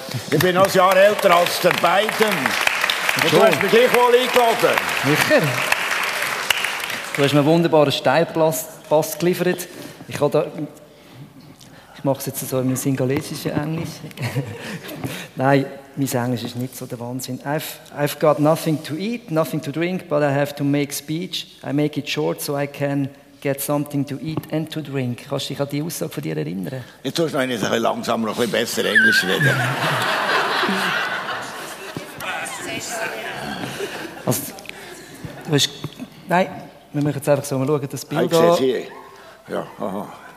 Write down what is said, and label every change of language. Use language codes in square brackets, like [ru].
[de] Ich bin noch ein Jahr älter als der Biden. Und du hast mich gleich wohl eingeladen. Sicher. Du hast mir einen wunderbaren Steilpass geliefert. Ich mache es jetzt so in meinem singalesischen Englisch. Nein, mein Englisch ist nicht so der Wahnsinn. [en] I've got nothing to eat, nothing to drink, but I have to make speech. I make it short so I can get something to eat and to drink. [de] Kannst du dich an die Aussage von dir erinnern? Jetzt tust du noch etwas langsamer, noch etwas besser Englisch reden. Also, du hast... Nein, wir machen jetzt einfach so, wir schauen das Bild an. Ja, aha.